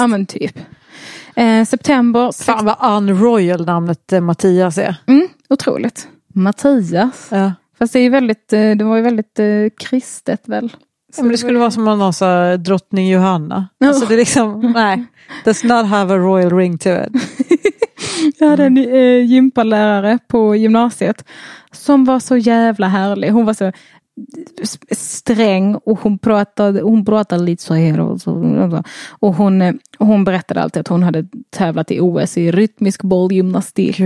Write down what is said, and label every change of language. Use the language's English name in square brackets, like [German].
[Swedish] Ja, men typ. September... Fan vad unroyal namnet Mattias är. Mm, otroligt. Mattias. Ja. Fast det, är ju väldigt, det var ju väldigt kristet väl. Ja, men det skulle vara som om någon sa drottning Johanna. [English] Oh. [Swedish] Alltså det är liksom, nej. [English] Does not have a royal ring to it. [Swedish] Jag hade en gympalärare på gymnasiet som var så jävla härlig. Hon var så sträng och hon pratade lite så här och hon berättade alltid att hon hade tävlat i OS i rytmisk bollgymnastik.